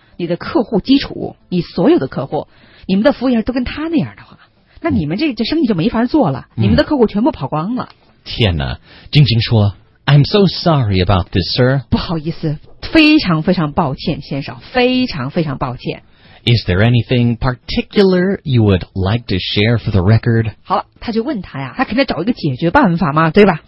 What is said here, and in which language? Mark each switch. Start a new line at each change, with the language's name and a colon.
Chinese: 你的客户基础，你所有的客户，你们的服务员都跟他那样的话，那你们这生意就没法做了、嗯，你们的客户全部跑光了。天哪，晶晶说 ，
English: I'm so sorry about this, sir.
Chinese: 不好意思，非常非常抱歉，先生，非常非常抱歉。
English: Is there anything particular you would like to share for the record?
Chinese: 好了，他就问他呀，他肯定找一个解决办法嘛，对吧